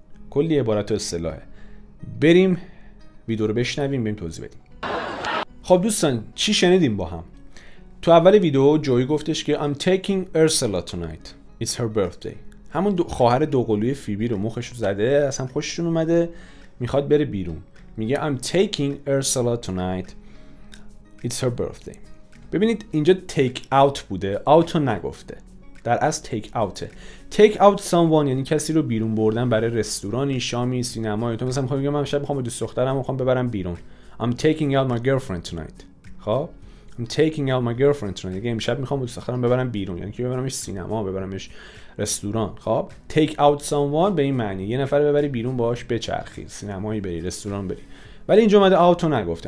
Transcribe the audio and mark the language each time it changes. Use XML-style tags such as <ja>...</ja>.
<fa>کلی عبارت و اصطلاحه. بریم ویدیو رو بشنویم، بریم توضیح بدیم. خب دوستان چی شنیدیم با هم؟ تو اول ویدیو جوی گفتش که</fa> <en>I'm taking Ursula tonight. It's her birthday.</en> <fa>همون خواهر دوقلوی فیبی رو مخش رو زده، از هم خوششون اومده، میخواد بره بیرون. میگه</fa> <en>I'm taking Ursula tonight. It's her birthday.</en> <fa>ببینید اینجا take out بوده، out رو نگفته. در اصل تیک اوته. تیک اوت سامون یعنی کسی رو بیرون بردن برای رستورانی، شامی، سینمایی. تو مثلا میخوام بگم من شب میخوام با دوست دخترم میخوام ببرم بیرون.</fa> <en>I'm taking out my girlfriend tonight.</en> <fa>خب؟</fa> <en>I'm taking out my girlfriend tonight.</en> <fa>یعنی امشب میخوام با دوست دخترم ببرم بیرون، یعنی که ببرمش سینما، ببرمش رستوران. خب؟</fa> <en>Take out someone</en> <fa>به این معنی یه نفر ببری بیرون باهاش بچرخی، سینمایی بری، رستوران بری. ولی اینجا اومده out رو نگفته.</fa>